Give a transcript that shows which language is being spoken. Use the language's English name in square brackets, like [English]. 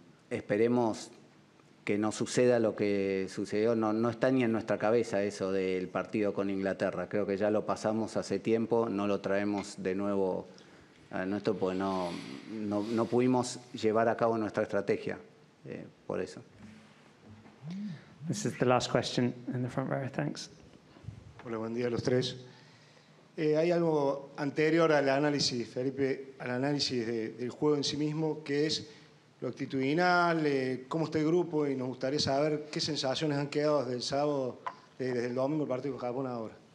[Spanish] Esperemos que no suceda lo que sucedió. No está ni en nuestra cabeza eso del partido con Inglaterra. Creo que ya lo pasamos hace tiempo, no lo traemos de nuevo a nuestro, porque no pudimos llevar a cabo nuestra estrategia. Por eso. [English] This is the last question in the front row, thanks. [Spanish] Hola, buen día a los tres. Hay algo anterior al análisis, Felipe, al análisis del juego en sí mismo, que es lo actitudinal, cómo está el grupo, y nos gustaría saber qué sensaciones han quedado desde el sábado, desde el domingo, el partido con Japón ahora.